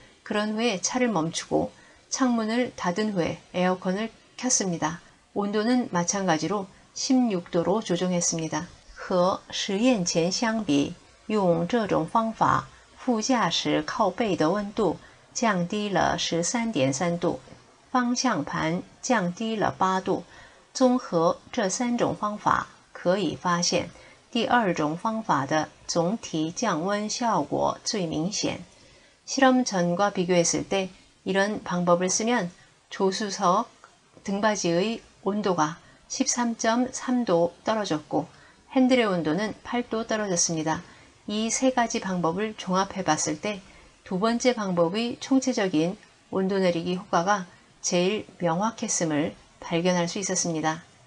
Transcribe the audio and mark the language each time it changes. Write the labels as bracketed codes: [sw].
[ko] 그런 후에 차를 멈추고 창문을 닫은 후에 에어컨을 켰습니다. 온도는 마찬가지로 16도로 조정했습니다. [zh] 和实验前相比，用这种方法，副驾驶靠背的温度降低了13.3度。方向盘降低了8度.综合这三种方法，可以发现第二种方法的总体降温效果最明显. [ko] 실험 전과 비교했을 때 이런 방법을 쓰면 조수석 등받이의 온도가 13.3도 떨어졌고 핸들의 온도는 8도 떨어졌습니다. 이 세 가지 방법을 종합해 봤을 때 두 번째 방법의 총체적인 온도 내리기 효과가 제일 명확했음을 발견할 수 있었습니다.